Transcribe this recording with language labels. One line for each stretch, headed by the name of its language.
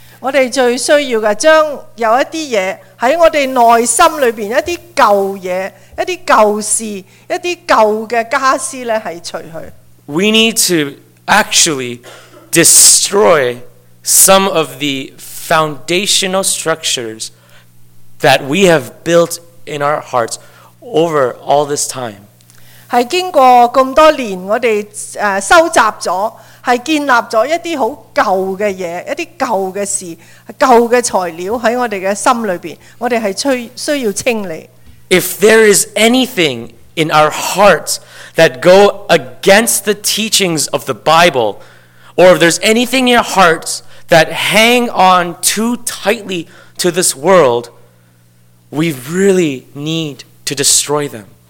Cantonese: 我哋最需要嘅，將有一啲嘢喺我哋內心裏邊一啲舊嘢、一啲舊事、一啲舊嘅傢俬咧，係除去。
English: We need to actually destroy some of the foundational structures that we have built in our hearts over all this time.
Cantonese: 係經過咁多年，我哋收集咗。是建立了一些很舊的東西，一些舊的事，舊的材料在我們的心裡面，我們是需要清理。
English: If there is anything in our hearts that go against the teachings of the Bible, or if there's anything in your hearts that hang on too tightly to this world, we really need to destroy them.